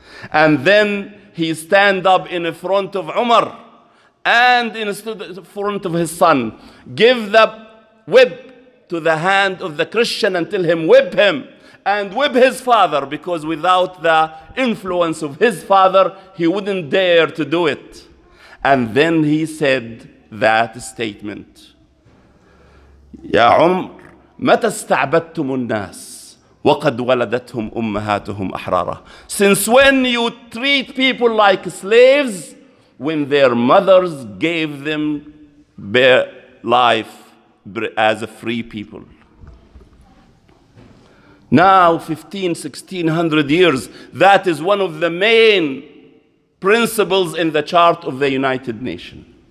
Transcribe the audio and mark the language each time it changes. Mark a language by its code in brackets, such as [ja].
[en] And then he stand up in front of Umar and in front of his son, give the whip to the hand of the Christian and tell him, and whip his father, because without the influence of his father, he wouldn't dare to do it. And then he said that statement, [ar] يا عمر متى استعبدتم الناس وقد ولدتهم أمهاتهم أحرارا. [en] Since when you treat people like slaves, when their mothers gave them their life as a free people. Now, 15, 1600 years, that is one of the main principles in the chart of the United Nations.